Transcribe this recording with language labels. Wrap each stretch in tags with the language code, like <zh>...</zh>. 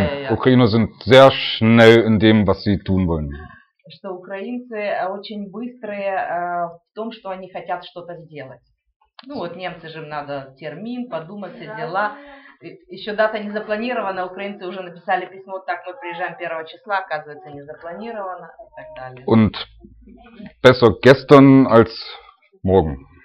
<de>Ukrainer sind sehr schnell in dem, was sie tun wollen.</de> <ru>Что украинцы очень быстрые в том, что они хотят что-то сделать. Ну вот немцы же надо термин, подумать, все дела. Еще дата не запланирована, украинцы уже написали письмо, так мы приезжаем 1 числа, оказывается, не запланировано и так далее.</ru> <de>Und besser gestern als morgen.</de>